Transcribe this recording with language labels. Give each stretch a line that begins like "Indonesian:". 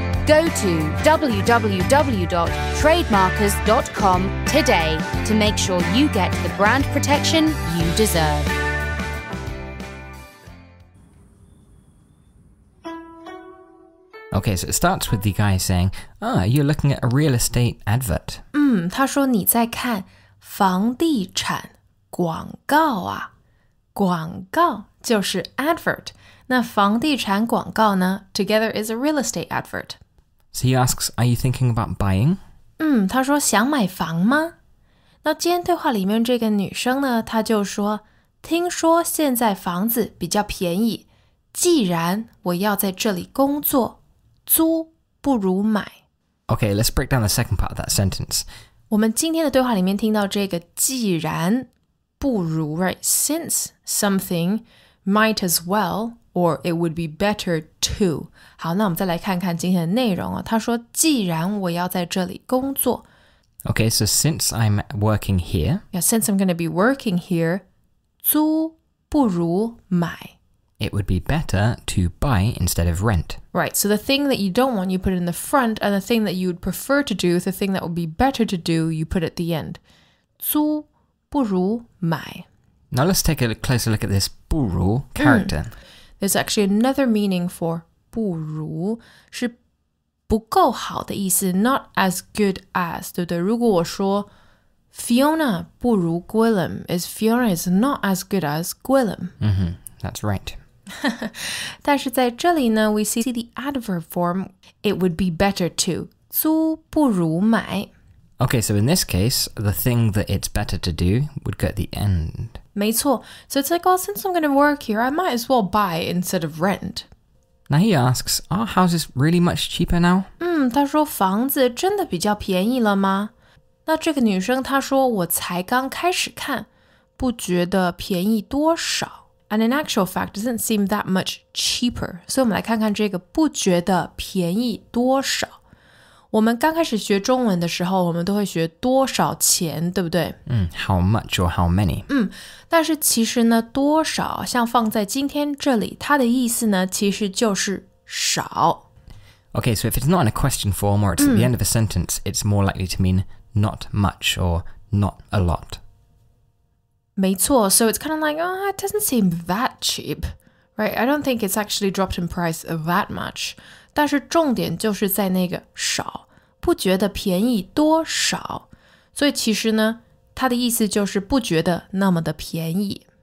English: Go to www.trademarkers.com today to make sure you get the brand protection you deserve. 所以 it starts with the guy saying, "Ah, you're looking at a real estate advert."
Chinese: 他说你在看房地产广告啊。广告就是 advert. 那房地产广告呢
English: together is a real estate advert. So he asks, are you thinking about buying?
Chinese: 他说想买房吗？那今天对话里面这个女生呢，她就说，听说现在房子比较便宜，既然我要在这里工作，租不如买。
English: Okay, let's break down the second part of that sentence.
Chinese: 我们今天的对话里面听到这个既然不如 right?
English: Since something might as well... Or it would be better to.
Chinese: 好，那我们再来看看今天的内容哦。他说，既然我要在这里工作。
English: Okay, so since I'm working here. Yeah, since I'm going to be working here, 租不如买。 It would be better to buy instead of rent. Right, so the thing that you don't want, you put it in the front, and the thing that you would prefer to do, the thing that would be better to do, you put it at the end.
Chinese: 租不如买。
English: Now let's take a closer look at this 不如 character. There's actually another meaning for
Chinese: 不如是不够好的意思
English: not as good as,
Chinese: 对不对？如果我说
English: Fiona 不如 Gwilym, is Fiona is not as good as Gwilym. Mm-hmm, that's right.
Chinese: 但是在这里呢
English: we see the adverb form, it would be better to, 租不如买。 Okay, so in this case, the thing that it's better to do would go at the end.
Chinese: 没错
English: So it's like, well, since I'm going to work here, I might as well buy instead of rent. Now he asks, are houses really much cheaper now?
Chinese: 他说房子真的比较便宜了吗？那这个女生她说我才刚开始看，不觉得便宜多少。
English: And in actual fact, it doesn't seem that much cheaper.
Chinese: 所以我们来看看这个不觉得便宜多少。我们刚开始学中文的时候，我们都会学多少钱，对不对？
English: How much or how many?
Chinese: 但是其实呢，多少像放在今天这里，它的意思呢，其实就是少。
English: Okay, so if it's not in a question form or it's at the end of a sentence, it's more likely to mean not much or not a lot.
Chinese: 没错
English: so it's kind of like, oh, it doesn't seem that cheap, right? I don't think it's actually dropped in price that much.
Chinese: 但是重点就是在那个少,不觉得便宜多少。所以其实呢,它的意思就是不觉得那么的便宜。